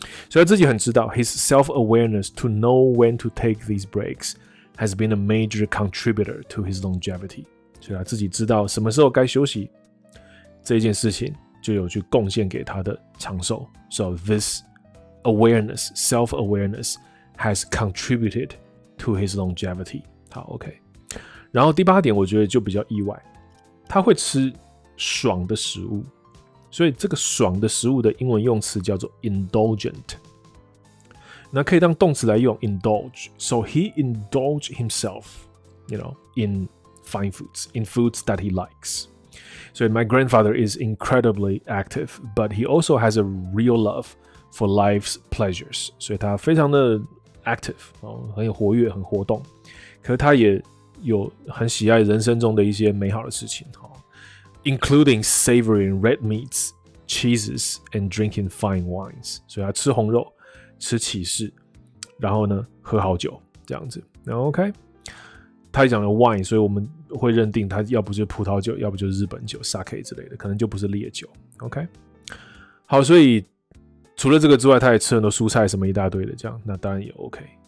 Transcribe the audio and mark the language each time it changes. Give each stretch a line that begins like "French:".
Chinese: 所以他自己很知道
English: ，his self-awareness to know when to take these breaks has been a major contributor to his longevity。
Chinese: 所以他自己知道什么时候该休息，这件事情就有去贡献给他的长寿。
English: So this awareness, self-awareness, has contributed to his longevity。
Chinese: 好 ，OK。然后第八点，我觉得就比较意外，他会吃爽的食物。所以这个爽的食物的英文用词叫做 indulgent， 那可以当动词来用 indulge。
English: So he indulged himself, you know, in fine foods, in foods that he likes. So my grandfather is incredibly active, but he also has a real love for life's pleasures.
Chinese: 所以他非常的 active， 很活跃，很活动。可是他也有很喜爱人生中的一些美好的事情。
English: Including savoring red meats, cheeses, and drinking fine wines.
Chinese: 所以他吃红肉，吃起士，然后呢喝好酒这样子。然后 OK， 他讲了 wine， 所以我们会认定他要不就是葡萄酒，要不就是日本酒 sake 之类的，可能就不是烈酒。 OK， 好，所以除了这个之外，他也吃很多蔬菜什么一大堆的，这样那当然也 OK。